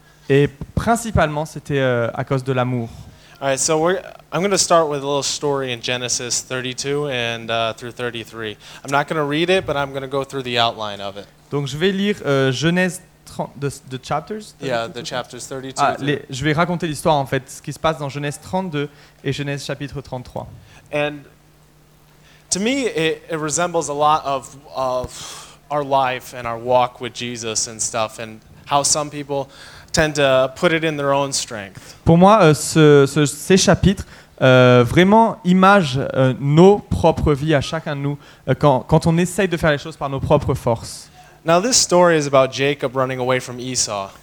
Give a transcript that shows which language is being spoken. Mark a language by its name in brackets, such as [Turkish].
[French] Et principalement, c'était à cause de l'amour. [English] All right, so I'm going to start with a little story in Genesis 32 and through 33. I'm not going to read it, but I'm going to go through the outline of it. [French] Donc je vais lire Genèse 30, [English] the chapters. Yeah, the chapters 32. [French] Je vais raconter l'histoire en fait, ce qui se passe dans Genèse 32 et Genèse chapitre 33. [English] And to me, it resembles a lot of our life and our walk with Jesus and stuff, and how some people tend to put it in their own strength. [French] Pour moi, ces chapitres vraiment imagent nos propres vies à chacun de nous quand on essaye de faire les choses par nos propres forces. [English] Now this story is about Jacob running away from Esau.